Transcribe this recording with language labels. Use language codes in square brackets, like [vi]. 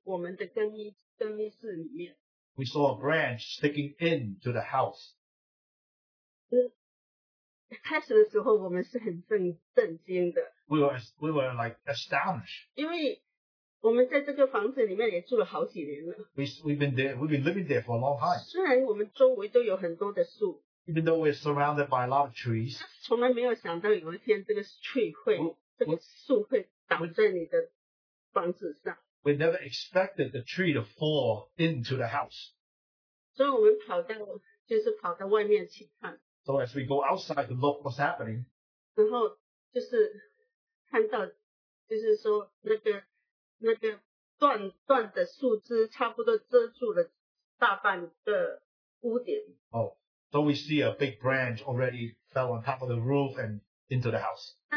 [zh] 看到有一个大的树枝插进来我们的更衣室里面。 [en] We saw a branch sticking into the house. [zh] 开始的时候我们是很震惊的。 [en] We were like astonished. [zh] 因为我们在这个房子里面也住了好几年了。 [en] We've been living there for a long time. [zh] 虽然我们周围都有很多的树。 [en] Even though we're surrounded by a lot of trees. [zh] 从来没有想到有一天这个树会倒在你的房子上。 [en] We never expected the tree to fall into the house. [zh] 所以我们跑到外面去看。 [en] So as we go outside to look what's happening. [zh] 然后就是看到，就是说那个断的树枝差不多遮住了大半的屋顶。 [en] Oh, so we see a big branch already fell on top of the roof and into the house.